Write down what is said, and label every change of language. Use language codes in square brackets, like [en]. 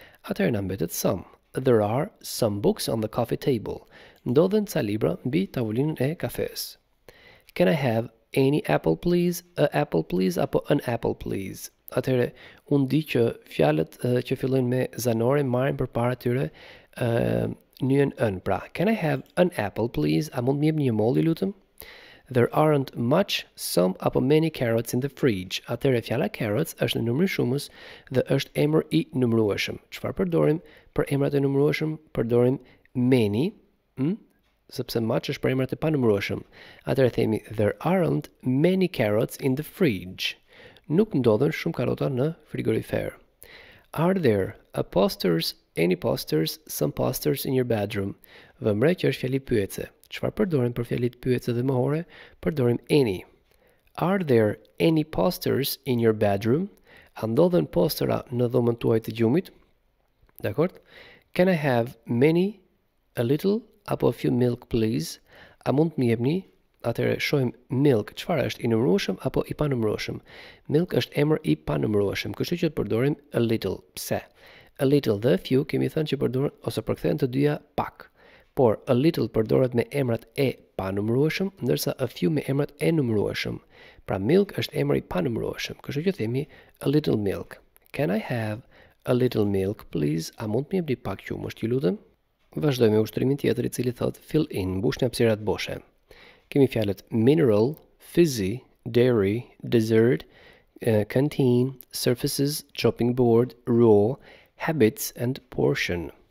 [sq] Atëherë na mbetet some. [en] There are some books on the coffee table. [sq] Ndodhen ca libra mbi tavolinën e kafes. [en] Can I have any apple please? A apple please apo an apple please? [sq] Atëherë, unë di që fjalët që fillojnë me zanore marrin përpara tyre nyjen ën. [en] Pra, can I have an apple please? [sq] A mund të më jep një molli lutem? [en] There aren't much, some apo many carrots in the fridge. [sq] Atëherë fjala carrots është në numrin shumës dhe është emër i numërueshëm. Çfarë përdorim për emrat e numërueshëm? Përdorim many, sepse much është për emrat e panumërueshëm. Atëherë themi [en] there aren't many carrots in the fridge. [sq] Nuk ndodhen shumë karrota në frigorifer. [en] Are there a posters, any posters, some posters in your bedroom? [sq] Vëmre që është fjali pyetëse. Çfarë përdorim për fjalit pyetëse dhe mohore? Përdorim any. [en] Are there any posters in your bedroom? [sq] A ndodhen postera në dhomën tuaj të gjumit? Dakor? [en] Can I have many, a little apo a few milk please? [sq] A mund të më jepni? Atëherë shohim milk, çfarë është, i numërueshëm apo i panumërueshëm? Milk është emër i panumërueshëm, kështu që përdorim a little. Pse? A little dhe a few kemi thënë që përdoren ose përkthehen të dyja pak. Por a little përdoret me emrat e panumërueshëm, ndërsa a few me emrat e numërueshëm. Pra milk është emër i panumërueshëm, kështu që themi a little milk. [en] Can I have a little milk, please? [sq] A mund të më jepni pak qumësht, ju lutem? Vazhdojmë me ushtrimin tjetër i cili thot [en] fill in, [sq] mbushni hapësirat boshe. Kemi fjalët mineral, fizzy, dairy, dessert, canteen, surfaces, chopping board, raw, habits and portion.